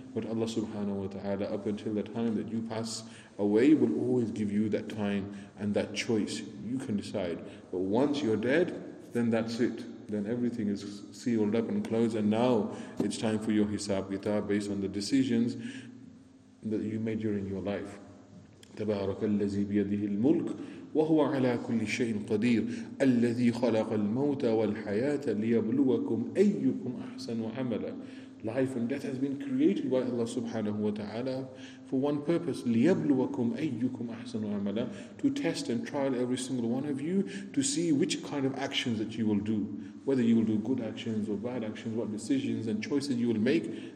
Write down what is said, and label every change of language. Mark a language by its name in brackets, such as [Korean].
[English] But Allah subhanahu wa ta'ala, up until the time that you pass away, will always give you that time and that choice. You can decide. But once you're dead, then that's it. Then everything is sealed up and closed. And now it's time for your hisab kitab based on the decisions that you made during your life. [Arabic] تبارك الذي بيده الملك وهو على كل شيء قدير الذي خلق الموت والحياة ليبلوكم أيكم أحسن عملا. [English] Life and death has been created by Allah subhanahu wa ta'ala for one purpose, [Arabic] لِيَبْلُوَكُمْ أَيُّكُمْ أَحْسَنُ عَمَلًا, [English] to test and trial every single one of you to see which kind of actions that you will do, whether you will do good actions or bad actions, what decisions and choices you will make.